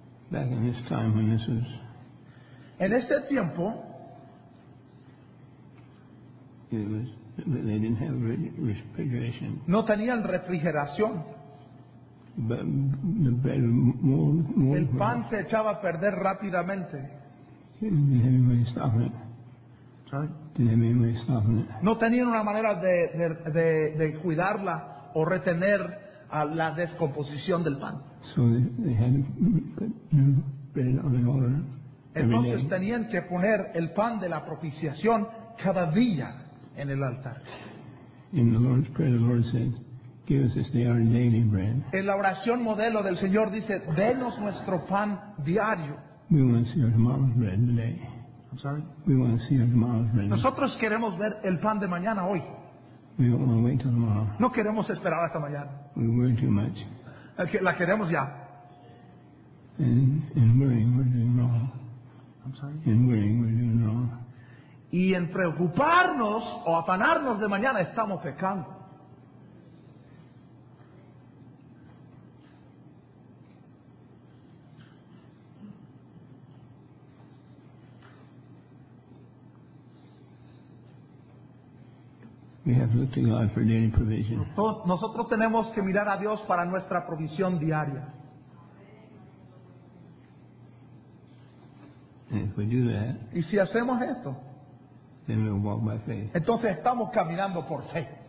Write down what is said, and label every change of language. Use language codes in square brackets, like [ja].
[en] Back in this time when this was, [es] en ese tiempo, [en] it was, they didn't have refrigeration. [es] No tenían refrigeración. [en] But the bread more [es] el pan se echaba a perder rápidamente. [en] Didn't have anybody stopping it. Sorry? Didn't have anybody stopping it. [es] No tenían una manera de cuidarla o retener a la descomposición del pan. [en] So they had to put bread on the altar every [es] entonces [en] day. [es] Tenían que poner el pan de la propiciación cada día en el altar. [en] In the Lord's prayer, the Lord said, give us this day our daily bread. [es] En la oración modelo del Señor dice, denos nuestro pan diario. [en] We want to see our tomorrow's bread today. I'm sorry? We want to see our tomorrow's bread. [es] Nosotros queremos ver el pan de mañana hoy. [en] We don't want to wait till tomorrow. [es] No queremos esperar hasta mañana. [en] We worry too much. [es] La queremos ya. [en] In worrying, we're doing wrong. I'm sorry? In worrying, we're doing wrong. [es] Y en preocuparnos o afanarnos de mañana estamos pecando. [en] We have looked to God for daily provision. [es] Nosotros tenemos que mirar a Dios para nuestra provisión diaria. [en] And if we do that, [es] y si hacemos esto, [en] then we'll walk by faith. [es] Entonces estamos caminando por fe.